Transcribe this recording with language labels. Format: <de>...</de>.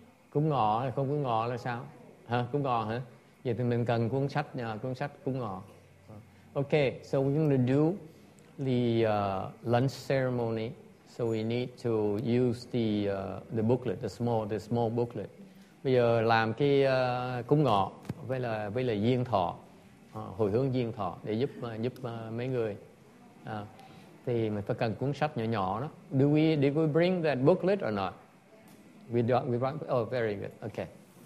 <vi>Cúng ngọ hay không cúng ngọ là sao? Hả? Cúng ngọ hả? Vậy thì mình cần cuốn sách nha, cuốn sách cúng ngọ.</vi> <en>Okay, so we're going to do the lunch ceremony. So we need to use the booklet, the small booklet.</en> <vi>Bây giờ làm cái cúng ngọ với là duyên thọ, hồi hướng duyên thọ để giúp mấy người. Thì mình phải cần cuốn sách nhỏ nhỏ đó.</vi> <en>Do we bring that booklet or not? We don't. Oh, very good. Okay.</en>